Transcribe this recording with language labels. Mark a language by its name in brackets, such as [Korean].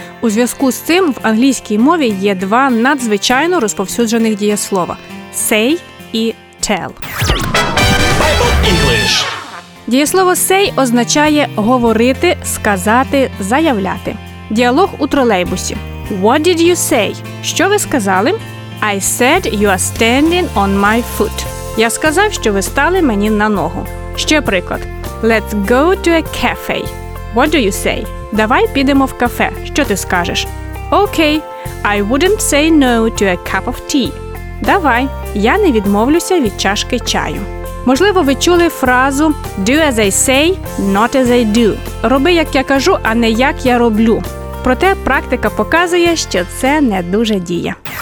[Ukrainian] У зв'язку з цим в англійській мові є два надзвичайно розповсюджених дієслова – say і tell. [English] Bible English. [Ukrainian] Дієслово say означає говорити, сказати, заявляти. Діалог у тролейбусі. [English] What did you say? [Ukrainian] Що ви сказали? [English] I said you are standing on my foot. [Ukrainian] Я сказав, що ви стали мені на ногу. Ще приклад. [English] Let's go to a cafe. What do you say? [Ukrainian] Давай підемо в кафе. Що ти скажеш? [English] Okay, I wouldn't say no to a cup of tea. [Ukrainian] Давай, я не відмовлюся від чашки чаю. Можливо, ви чули фразу [English] do as I say, not as I do. [Ukrainian] Роби, як я кажу, а не як я роблю. Проте практика показує, що це не дуже діє.